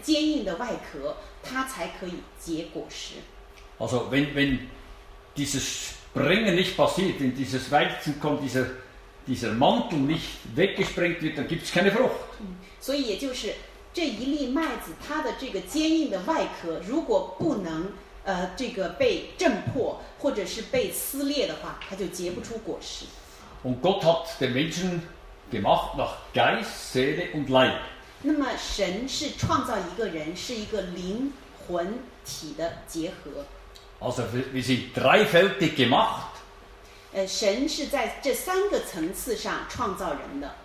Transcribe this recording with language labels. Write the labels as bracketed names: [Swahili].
[Chinese] 那这个画面的意思呢，就是说这一粒麦子，它只有当它震破自己的外壳，那个坚硬的外壳，它才可以结果实。 [German] Also wenn dieses Sprengen nicht passiert, wenn dieses Weizen kommt, dieser Mantel nicht weggesprengt wird, dann gibt es keine Frucht. [Chinese] 所以也就是这一粒麦子，它的这个坚硬的外壳，如果不能 这个被震破或者是被撕裂的话，它就结不出果实。 [German] Und Gott hat den Menschen gemacht nach Geist, Seele und Leib. [Chinese] 那么神是创造一个人，是一个灵魂体的结合。 [German] Also wir sind dreifältig gemacht. [Chinese] 神是在这三个层次上创造人的。